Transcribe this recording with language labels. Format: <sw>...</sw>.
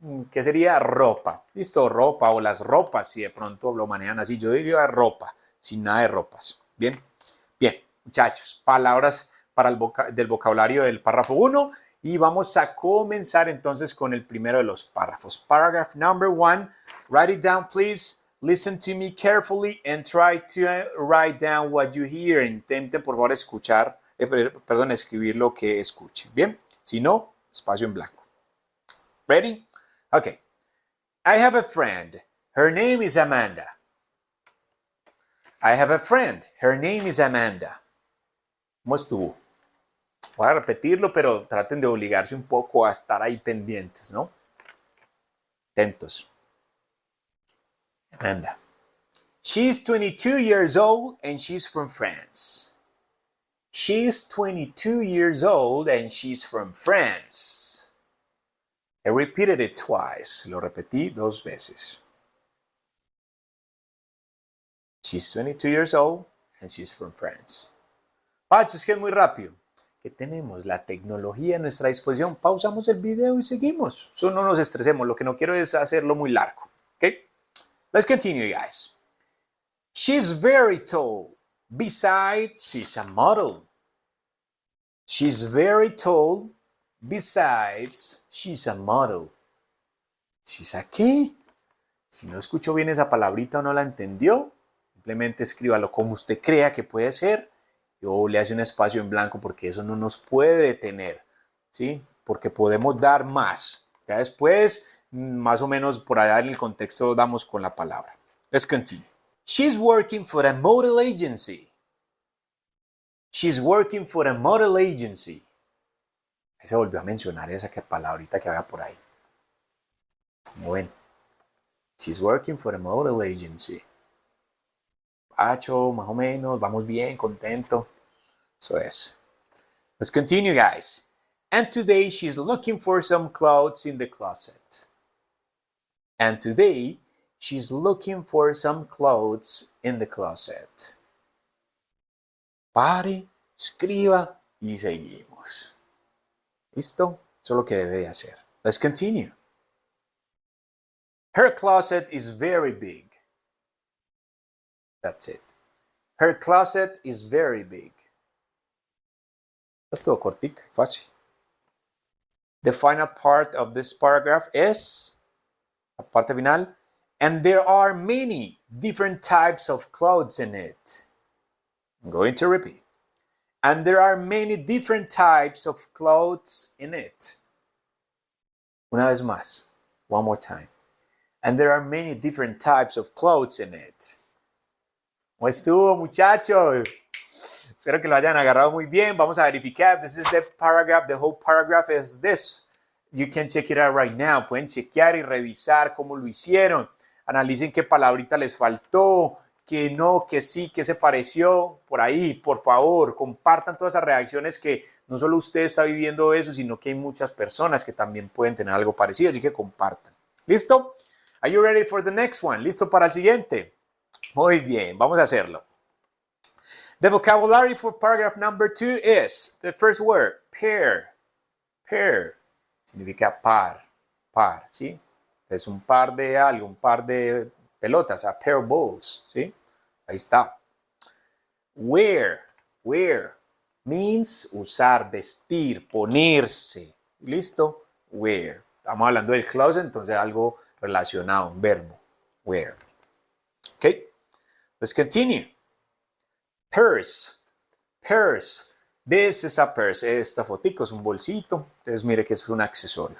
<es>¿Qué sería ropa? Listo, ropa o las ropas, si de pronto lo manejan así. Yo diría ropa, sin nada de ropas. ¿Bien? Bien, muchachos, palabras para el del vocabulario del párrafo 1 y vamos a comenzar entonces con el primero de los párrafos.</es> <en>Paragraph number 1, write it down, please. Listen to me carefully and try to write down what you hear.</en> <es>Intente, por favor, escuchar, perdón, escribir lo que escuche. ¿Bien? Si no, espacio en blanco. ¿Ready?</es> <en>Okay, I have a friend. Her name is Amanda. I have a friend. Her name is Amanda.</en> <es>¿Cómo estuvo? Voy a repetirlo, pero traten de obligarse un poco a estar ahí pendientes, ¿no? Atentos. Amanda.</es> <en>She's 22 years old and she's from France. She's 22 years old and she's from France. I repeated it twice.</en> <es>Lo repetí dos veces.</es> <en>She's 22 years old and she's from France.</en> <es>Pacho, es que es muy rápido. Que tenemos la tecnología a nuestra disposición. Pausamos el video y seguimos. Eso no nos estresemos. Lo que no quiero es hacerlo muy largo.</es> <en>Okay? Let's continue, guys. She's very tall. Besides, she's a model. She's very tall. Besides, she's a model. ¿She's a qué?</en> <es>Si no escuchó bien esa palabrita o no la entendió, simplemente escríbalo como usted crea que puede ser. Yo le hace un espacio en blanco porque eso no nos puede detener, ¿sí? Porque podemos dar más. Ya después, más o menos por allá en el contexto, damos con la palabra.</es> <en>Let's continue. She's working for a model agency. She's working for a model agency.</en> <es>Ahí se volvió a mencionar esa que palabrita que había por ahí. Muy bien.</es> <en>She's working for a model agency.</en> <es>Pacho, más o menos, vamos bien, contento. Eso es.</es> <en>Let's continue, guys. And today she's looking for some clothes in the closet. And today she's looking for some clothes in the closet.</en> <es>Pare, escriba y seguimos. ¿Listo? Eso es lo que debe de hacer.</es> <en>Let's continue. Her closet is very big. That's it. Her closet is very big.</en> <es>Esto es cortico, fácil.</es> <en>The final part of this paragraph is,</en> <es>la parte final,</es> <en>and there are many different types of clothes in it. I'm going to repeat. And there are many different types of clothes in it.</en> <es>Una vez más.</es> <en>One more time. And there are many different types of clothes in it.</en> <es>¿Cómo estuvo, muchachos? Espero que lo hayan agarrado muy bien. Vamos a verificar.</es> <en>This is the paragraph. The whole paragraph is this. You can check it out right now.</en> <es>Pueden chequear y revisar cómo lo hicieron. Analicen qué palabrita les faltó, qué no, qué sí, qué se pareció. Por ahí, por favor, compartan todas esas reacciones, que no solo usted está viviendo eso, sino que hay muchas personas que también pueden tener algo parecido. Así que compartan. ¿Listo?</es> <en>Are you ready for the next one?</en> <es>¿Listo para el siguiente? Muy bien, vamos a hacerlo.</es> <en>The vocabulary for paragraph number two is the first word, pair.</en> <es>Pair significa par, par, ¿sí? Es un par de algo, un par de pelotas,</es> <en>a pair of balls,</en> <es>¿sí? Ahí está.</es> <en>Wear, wear means</en> <es>usar, vestir, ponerse. ¿Listo? Wear. Estamos hablando del closet, entonces algo relacionado, un verbo.</es> <en>Wear. Ok. Let's continue. Purse. Purse. This is a purse.</en> <es>Esta fotico es un bolsito. Entonces mire que es un accesorio.</es>